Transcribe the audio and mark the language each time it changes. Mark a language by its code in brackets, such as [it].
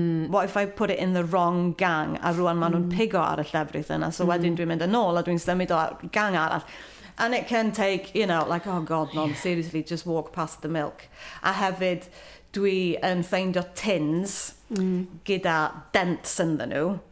[en] What if I put it in the wrong gang? [cy] A rwan maen nhw'n pigo ar y llefrith yna. So wedyn dwi'n mynd yn ôl a dwi'n symud o gang arall. [en] And it can take, you know, like, oh God, no, seriously, just walk past the milk. [cy] A hefyd, dwi yn ffeindio tins gyda dents ynddo nhw.